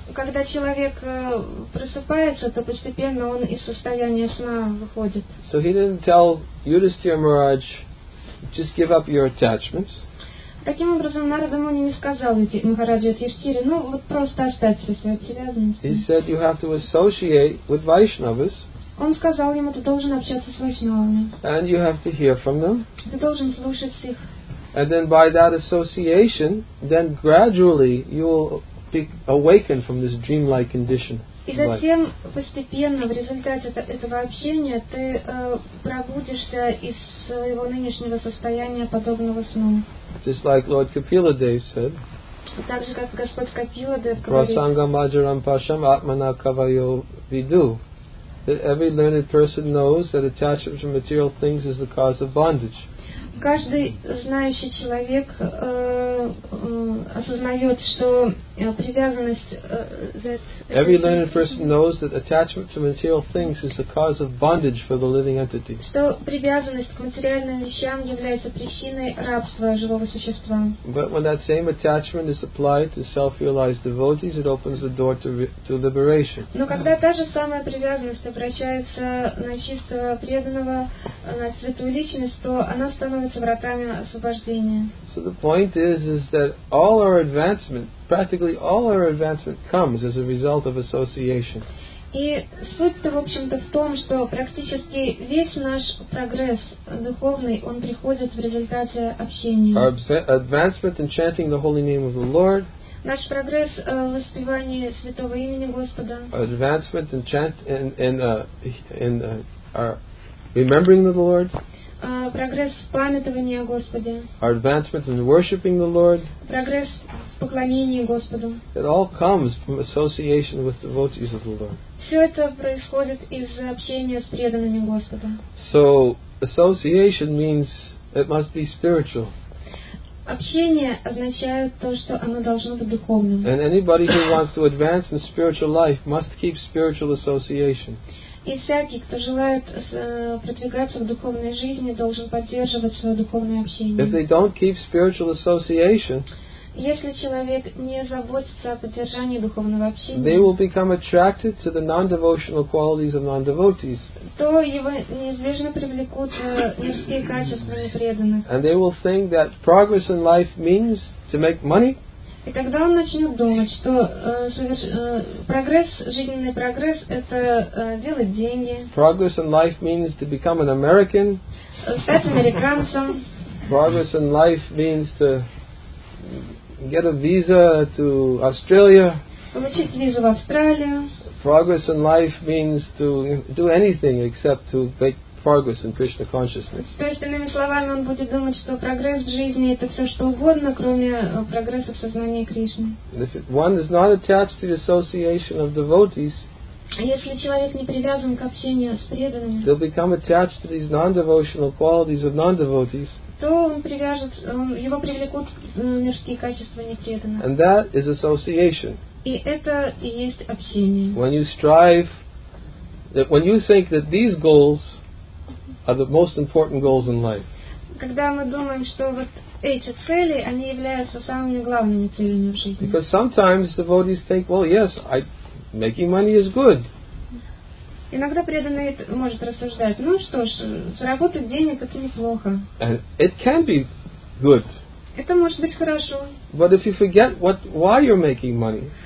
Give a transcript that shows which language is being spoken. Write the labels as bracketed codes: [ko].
[ru] Когда человек просыпается, то постепенно он из состояния сна выходит. [en] So he didn't tell Yudhishthira Maharaj, just give up your attachments. [ru] Таким образом, Narada Muni не сказал Махараджу Юдхиштхире, ну вот просто оставь все свои привязанности. [en] He said you have to associate with Vaishnavas. [ru] Он сказал ему, ты должен общаться с Вайшнавами. [en] And you have to hear from them. [ru] Ты должен слушать их. [en] And then by that association, then gradually you will be awakened from this dreamlike condition. [ru] И затем постепенно в результате этого общения ты пробудишься из своего нынешнего состояния подобного сну. [en] Just like Lord Kapila Dev said. [ru] Так же как Господь Капила Дев говорит. [sa] Prasanga majaram pasham atmana kavayo vidu. [en] That every learned person knows that attachment to material things is the cause of bondage. [ru] Каждый знающий человек осознает, что привязанность [en] Every learned person knows that attachment to material things is the cause of bondage for the living entity. [ru] Что привязанность к материальным вещам является причиной рабства живого существа. [en] But when that same attachment is applied to self-realized devotees, it opens the door to liberation. [ru] Но когда та же самая привязанность обращается на чистого преданного, на святую личность, то она становится [en] So the point is that all our advancement, practically all our advancement, comes as a result of association. [ru] И суть-то, в общем-то, в том, что практически весь наш прогресс духовный, он приходит в результате общения. [en] Our advancement in chanting the holy name of the Lord. [ru] Наш прогресс в воспевании святого имени Господа. [en] Our advancement in chant in our remembering the Lord. [ru] прогресс в памятовании о Господе. [en] Our advancement in worshiping the Lord. [ru] Прогресс в поклонении Господу. [en] It all comes from association with devotees of the Lord. [ru] Все это происходит из общения с преданными Господу. [en] So association means it must be spiritual. [ru] Общение означает то, что оно должно быть духовным. [en] And anybody who wants to advance in spiritual life must keep spiritual association. [ru] И всякий, кто желает продвигаться в духовной жизни, должен поддерживать свое духовное общение. [en] If they don't keep spiritual association, [ru] если человек не заботится о поддержании духовного общения, [en] they will become attracted to the non-devotional qualities of non-devotees. [ru] То его неизбежно привлекут мирские качества непреданных. [en] And they will think that progress in life means to make money. [ru] И тогда он начнет думать, что прогресс, жизненный прогресс, это делать деньги. [en] Progress in life means to become an American. [ru] Стать американцем. [en] Progress in life means to get a visa to Australia. [ru] Получить визу в Австралию. [en] Progress in life means to do anything except to make progress in Krishna consciousness. [ru] То есть, иными словами, он будет думать, что прогресс в жизни это все что угодно, кроме прогресса в сознании Кришны. [en] If one is not attached to the association of devotees, [ru] если человек не привязан к общению с преданными, [en] they'll become attached to these non-devotional qualities of non-devotees. [ru] То он привяжет, его привлекут мирские качества непреданных. [en] And that is association. [ru] И это и есть общение. [en] When you strive, when you think that these goals are the most important goals in life. [ru] Когда мы думаем, что вот эти цели, они являются самыми главными целями в жизни. [en] Because sometimes devotees think, well, yes, making money is good. [ru] Иногда преданный может рассуждать, ну что ж, заработать денег это неплохо. [en] And it can be good. [ru] Это может быть хорошо. [en] But if you forget why you're making money.